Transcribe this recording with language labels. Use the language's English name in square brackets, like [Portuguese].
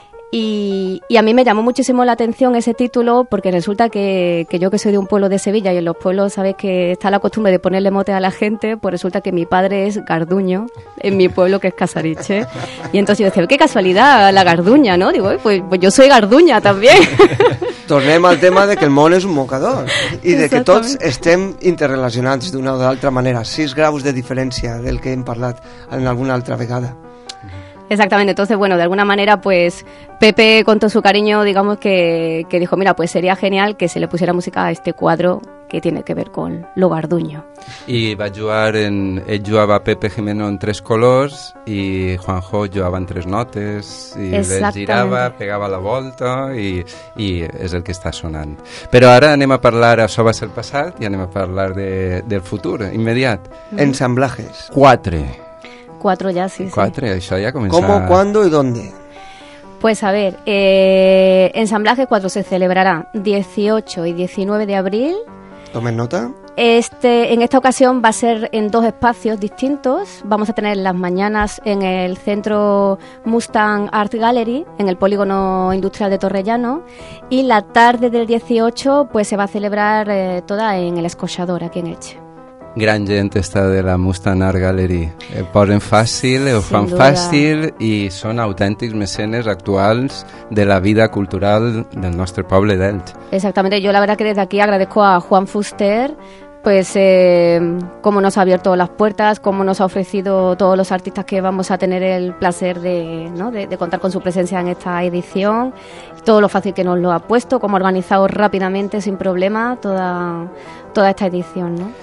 [Spanish] Y a mí me llamó muchísimo la atención ese título porque resulta que yo, que soy de un pueblo de Sevilla, y en los pueblos sabes que está la costumbre de ponerle mote a la gente, pues resulta que mi padre es Garduño en mi pueblo, que es Casariche. Y entonces yo decía, qué casualidad, la Garduña, ¿no? Digo, pues yo soy Garduña también. [Catalan] Tornem al tema de que el món és un mocador i de que tots estem interrelacionats d'una o d'altra manera, 6 graus de diferència del que hem parlat en alguna altra vegada. [Spanish] Exactamente, entonces bueno, de alguna manera pues Pepe con todo su cariño, digamos que dijo, mira, pues sería genial que se le pusiera música a este cuadro que tiene que ver con lo Garduño. Y va a jugar en, él jugaba Pepe Jimeno en 3 colores y Juanjo jugaba en 3 notes y le giraba, [Catalan] pegaba la volta [Spanish] y es el que está sonando. Pero ahora [Catalan] anem a parlar, això va ser el passat, y anem a parlar del futuro, inmediat. [Spanish] Ensamblajes. 4. 4 ya, sí. 4, eso ya comenzó. ¿Cómo, cuándo y dónde? Pues a ver, ensamblaje 4 se celebrará 18 y 19 de abril. Tomen nota. En esta ocasión va a ser en 2 espacios distintos. Vamos a tener las mañanas en el Centro Mustang Art Gallery, en el Polígono Industrial de Torrellano. Y la tarde del 18, pues se va a celebrar toda en el Escochador, aquí en Elche. [Catalan] Gran gent està de la Mustang Art Gallery. Posen fàcil, ho fan fàcil i són autèntics mecenes actuals de la vida cultural del nostre poble d'Elx. Exactament. [Spanish] Jo la verdad que desde aquí agradezco a Juan Fuster pues cómo nos ha abierto las puertas, cómo nos ha ofrecido todos los artistas que vamos a tener el placer de, ¿no?, de contar con su presencia en esta edición, todo lo fácil que nos lo ha puesto, cómo ha organizado rápidamente, sin problema, toda esta edición, ¿no?